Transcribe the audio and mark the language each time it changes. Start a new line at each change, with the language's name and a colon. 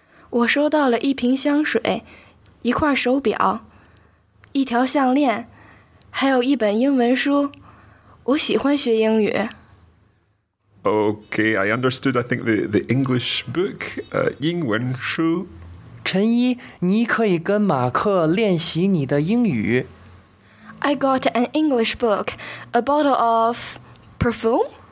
Chinese: 我收到了一瓶香水，一块手表，一条项链，还有一本英文书。我喜欢学英语。
English: Okay, I understood. I think the English book,
Chinese: 英文书。陈一，你可以跟马克练习你的英语。
English: I got an English book, a bottle of perfume?